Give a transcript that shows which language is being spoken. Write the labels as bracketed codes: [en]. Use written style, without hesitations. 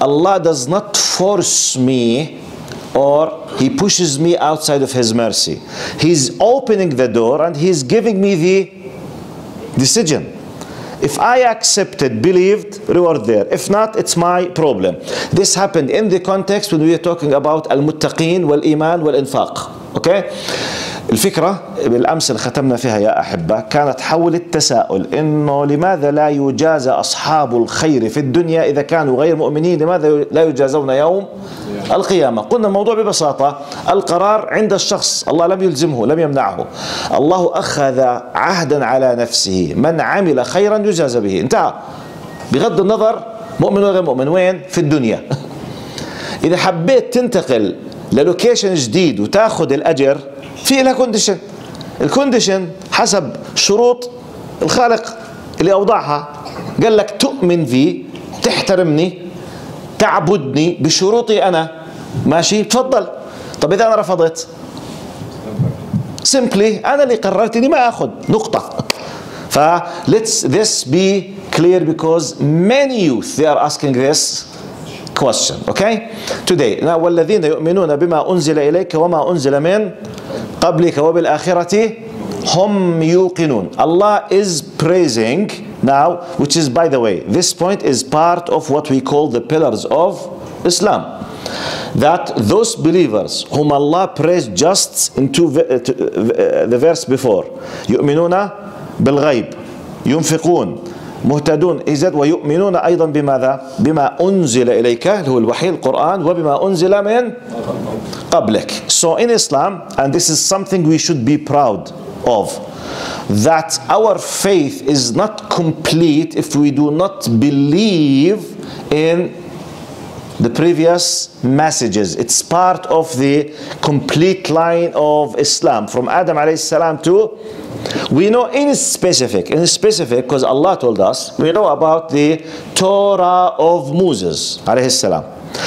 [en] Allah does not force me or he pushes me outside of his mercy. He's opening the door and he's giving me the decision. If I accepted, believed, reward there. If not, it's my problem. This happened in the context when we are talking about [ar] al-muttaqin wal-iman wal-infaq. [en] Okay? [ar] الفكرة بالأمس اللي ختمنا فيها يا أحبة كانت حول التساؤل إنه لماذا لا يجازى أصحاب الخير في الدنيا إذا كانوا غير مؤمنين، لماذا لا يجازون يوم القيامة؟ قلنا الموضوع ببساطة، القرار عند الشخص، الله لم يلزمه لم يمنعه، الله أخذ عهدا على نفسه من عمل خيرا يجازى به، انتهى، بغض النظر مؤمن ولا غير مؤمن، وين؟ في الدنيا. إذا حبيت تنتقل للوكيشن جديد وتأخذ الأجر في لها كونديشن، الكونديشن حسب شروط الخالق اللي أوضعها، قال لك تؤمن في تحترمني تعبدني بشروطي أنا، ماشي تفضل. طب إذا أنا رفضت simply أنا اللي قررت إني ما أخذ، نقطة. [en] فlet's this be clear because many youth they are asking this question, okay? Today, now [ar] والذين يؤمنون بما أنزل إليك وما أنزل من قبلك وبالآخرة هم يوقنون. [en] Allah is praising now, which is by the way, this point is part of what we call the pillars of Islam. That those believers whom Allah praised just in the verse before, [ar] يؤمنون بالغيب، ينفقون، مهتدون، إذا ويؤمنون أيضا بماذا؟ بما أنزل إليك اللي هو الوحي القرآن وبما أنزل من قبلك. [en] So in Islam, and this is something we should be proud of, that our faith is not complete if we do not believe in the previous messages. It's part of the complete line of Islam from Adam عليه السلام to we know in specific because Allah told us we know about the Torah of Moses عليه السلام.